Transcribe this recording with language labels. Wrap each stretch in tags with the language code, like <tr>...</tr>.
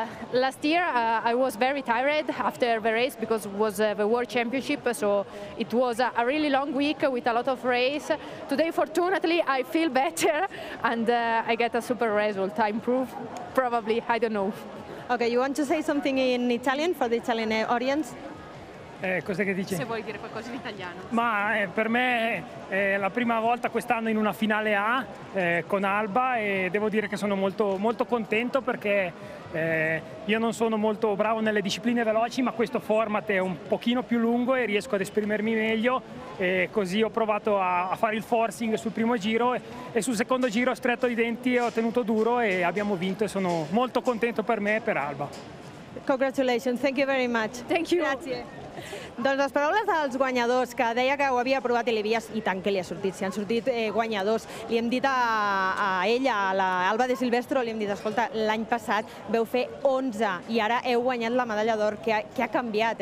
<en>Last year, I was very tired after the race because it was the World Championship, so it was a really long week with a lot of race. Today, fortunately, I feel better and I get a super result. I improve, probably, I don't know. Okay, you want to say something in Italian for the Italian audience?</en> <it>Cosa che dice? Se vuoi dire qualcosa in italiano. Ma per me è la prima volta quest'anno in una finale A con Alba e devo dire che sono molto, molto contento perché io non sono molto bravo nelle discipline veloci, ma questo format è un pochino più lungo e riesco ad esprimermi meglio. E così ho provato a fare il forcing sul primo giro e sul secondo giro ho stretto i denti e ho tenuto duro e abbiamo vinto e sono molto contento per me e per Alba.</it> <en>Congratulations, thank you very much. Thank you.</en> <it>Grazie.</it> <ca>Doncs les paraules dels guanyadors, que deia que ho havia provat i l'havia, i tant que li ha sortit, si han sortit guanyadors. Li hem dit a ella, a l'Alba de Silvestro, li hem dit, escolta, l'any passat vau fer 11 i ara heu guanyat la medalla d'or. Què ha canviat?</ca>